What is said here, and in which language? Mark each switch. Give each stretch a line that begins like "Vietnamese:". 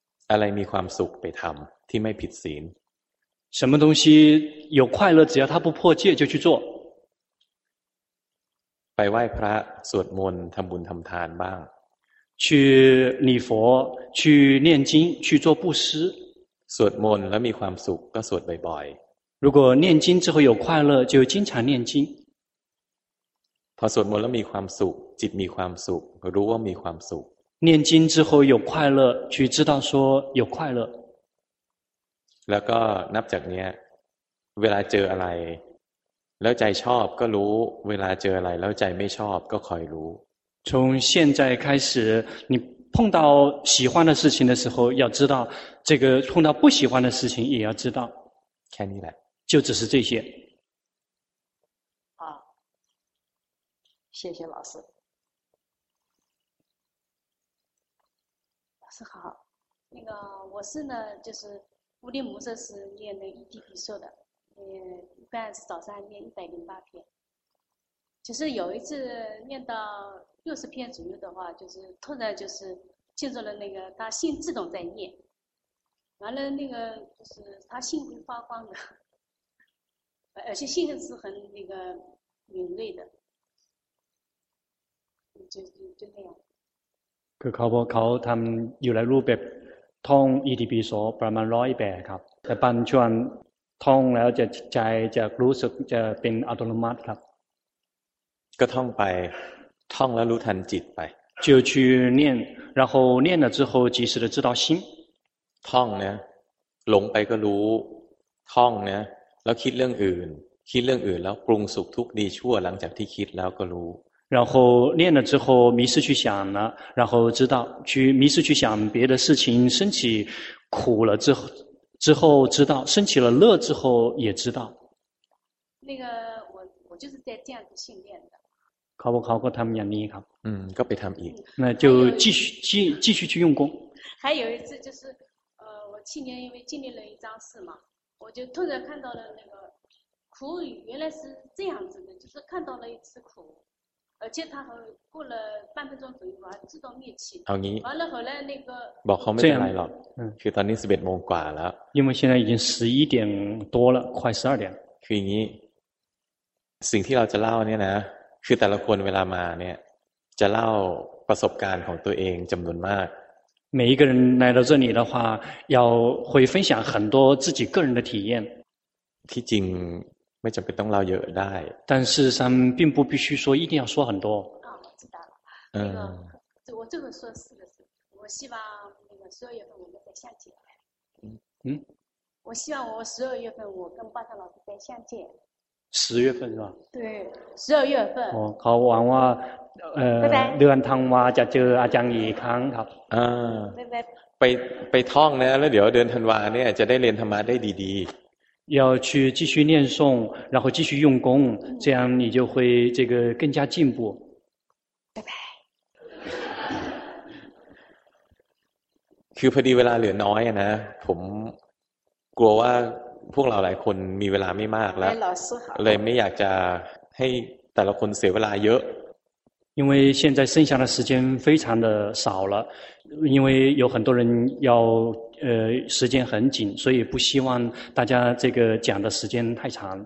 Thai: อะไรมีความสุขไปทำที่ไม่ผิดศีล
Chinese: 什么东西有快乐只要它不破戒就去做
Thai: ไปไหว้พระสวดมนต์ทำบุญทำทานบ้าง
Chinese: 去礼佛去念经去做布施
Thai: สวดมนต์แล้วมีความสุขก็สวดบ่อย
Chinese: 如果念经之后有快乐就经常念经
Thai: พอสวดมนต์แล้วมีความสุขจิตมีความสุขรู้ว่ามีความสุข
Chinese: 念经之后有快乐去知道说有快乐
Thai: แล้วก็นับจากเนี้ยเวลาเจออะไรแล้วใจชอบก็รู้เวลาเจออะไรแล้วใจไม่ชอบก็คอยรู้
Chinese: 从现在开始你碰到喜欢的事情的时候要知道这个碰到不喜欢的事情也要知道
Thai: แค่นี้แหละ
Chinese: 就只是这些好谢谢老师是好，那个我是呢，就是固定模式是念那一地比寿的，一般是早上念108篇。就是有一次念到60篇左右的话，就是突然就是进入了那个他心自动在念，完了那个就是他心会发光的，而且心是很那个敏锐的，就那样。
Thai: คือเขาทำอยู่ในรูปแบบท่องอีทีปีโสประมาณ108ครับแต่ปัญชวนท่องแล้วจะใจจะรู้สึกจะเป็นอัตโนมัติครับ ก็ท่องไปท่องแล้วรู้ทันจิตไป
Chinese: 就去念然后念了之后及时的知道心
Thai: ท่องเนี่ยหลงไปก็รู้ท่องเนี่ยแล้วคิดเรื่องอื่นคิดเรื่องอื่นแล้วปรุงสุขทุกข์ดีชั่วหลังจากที่คิดแล้วก็รู้
Chinese: 然后念了之后迷失去想了然后知道去迷失去想别的事情升起苦了之后知道升起了乐之后也知道那个我就是在这样子训练的考不考过他们两年考嗯被他们赢那就继续去用功还有一次就是我去年因为经历了一桩事嘛我就突然看到了那个苦语原来是这样子的就是看到了一次苦而且他过了半分钟左右，还自动灭气。
Thai: เอางี้
Chinese: 完了后来那个
Thai: บอกเขาไม่ได้อะไรหรอกคือตอนนี้11โมงกว่าแล้ว
Chinese: 因为现在已经11点多了，快12点。
Thai: คืออย่างนี้สิ่งที่เราจะเล่าเนี่ยนะคือแต่ละคนเวลามาเนี่ยจะเล่าประสบการณ์ของตัวเองจำนวนมาก
Chinese: 每一个人来到这里的话，要会分享很多自己个人的体验。
Thai: ที่จริงไม่จำเป็นต้องเล่าเยอะได้
Chinese: 但事实上并不必须说一定要说很多啊我知道了那个我这么说是的是我希望那个十二月份我们在相见我希望我十二月份我跟巴桑老师在相见十月份是吧对十二月份哦好我想拜拜
Thai: เดือนธันวาจะเจออาจารย์อีกครั้งครับ อ่า บ๊ายบาย ไปท่องนะแล้วเดี๋ยวเดือนธันวาเนี่ยจะได้เรียนธรรมะได้ดีๆ
Chinese: 要去继续念诵，然后继续用功，这样你就会这个更加进步。拜拜。
Thai: คือพอดีเวลาเหลือน้อยนะผมกลัวว่าพวกเราหลายคนมีเวลาไม่มากแล้วเลยไม่อยากจะให้แต่ละคนเสียเวลาเยอะ
Chinese: 因为现在剩下的时间非常的少了，因为有很多人要时间很紧，所以不希望大家这个讲的时间太长。